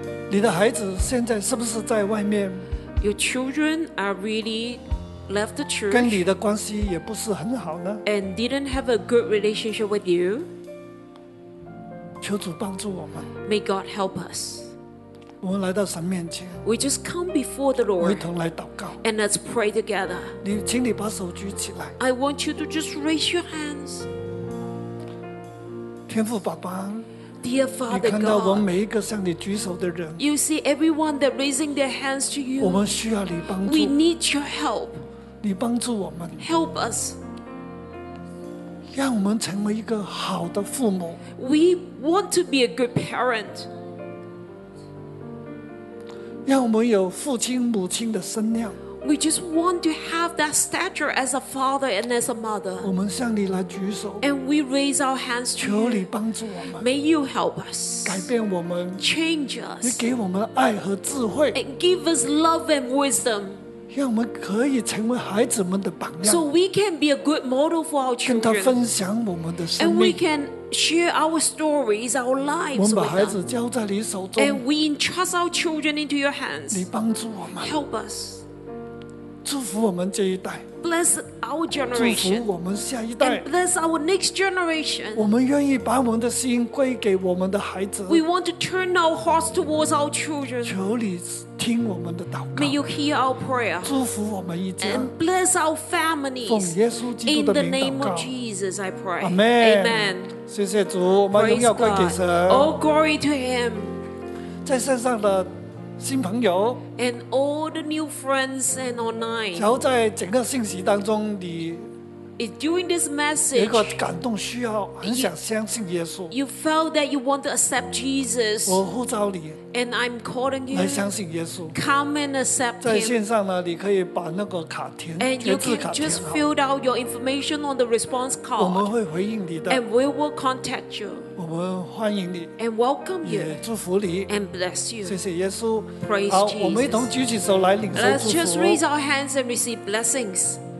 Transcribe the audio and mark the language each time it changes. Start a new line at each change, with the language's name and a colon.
Chinese: 你的孩子现在是不是在外面?
English: Your children are really left the church.
Chinese: 跟你的关系也不是很好呢?
English: And didn't have a good relationship with you.
Chinese: 求主帮助我们。
English: May God help us.
Chinese: 我们来到神面前。
English: We just come before the Lord.
Chinese: 我一同来祷告。
English: And let's pray together.
Chinese: 你请你把手举起来。
English: I want you to just raise your hands.
Chinese: 天父爸爸
English: Dear Father God,
Chinese: 你看到我们每一个向你举手的人
English: You see everyone that raising their hands to you
Chinese: 我们需要你帮助
English: We need your help
Chinese: 你帮助我们
English: Help us
Chinese: 让我们成为一个好的父母
English: We want to be a good parent
Chinese: 让我们有父亲母亲的身量
English: We just want to have that stature as a father and as a mother.
Chinese: 我们向你来举手
English: And we raise our hands to you.
Chinese: 求你帮助我们
English: May you help us.
Chinese: 改变我们
English: Change us.
Chinese: 你给我们爱和智慧
English: And give us love and wisdom.
Chinese: 让我们可以成为孩子们的榜样
English: So we can be a good model for our children.
Chinese: 跟他分享我们的生命
English: And we can share our stories, our lives
Chinese: 我们把孩子交在你手中
English: And we entrust our children into your hands.
Chinese: 你帮助我们
English: Help us.
Chinese: 祝福我们这一代
English: bless our generation,
Chinese: 祝福我们下一代
English: and bless our next generation.
Chinese: 我们愿意把我们的心归给我们的孩子
English: We want to turn our hearts towards our children.
Chinese: 求你听我们的祷告
English: May you hear our prayer.
Chinese: 祝福我们一家
English: and bless our families.
Chinese: 奉耶稣基督的名祷告
English: In the name of Jesus, I pray. Amen. Amen.
Chinese: 谢谢主，我们荣耀归给神
English: All glory to Him.
Chinese: 在身上的新朋友
English: and all the new friends and online.
Chinese: 然后在整个信息当中，你
English: during this message,
Chinese: 有一个感动，需要很想相信耶稣。
English: You felt that you want to accept Jesus.
Chinese: 我呼召你
English: and I'm calling you
Chinese: 来相信耶稣。
English: Come and accept.
Chinese: 在线上呢，你可以把那个卡填，决志卡填好。
English: Just fill out your information on the response card.
Chinese: 我们会回应你的。
English: And we will contact you.
Chinese: 我们欢迎你
English: and welcome you,
Chinese: 也祝福你
English: and bless you.
Chinese: 谢谢耶稣
English: Praise
Chinese: 好
English: Jesus.
Chinese: 我们一同举起手来领受祝福
English: Let's just raise our hands and receive blessings.